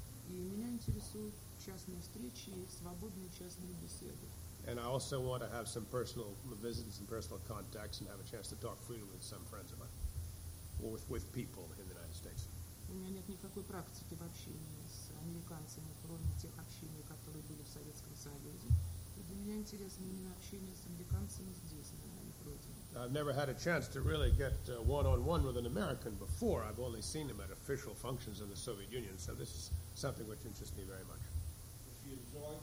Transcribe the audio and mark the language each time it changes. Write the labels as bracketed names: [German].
[English] And I also want to have some personal visits and personal contacts and have a chance to talk freely with some friends of mine or with people in the United States. [Russian] У меня нет никакой практики в общении с американцами, кроме тех общений, которые были в Советском Союзе. И для меня интересно именно общение с американцами здесь, на Родине. [English] I've never had a chance to really get one-on-one with an American before. I've only seen him at official functions in the Soviet Union, so this is something which interests me very much.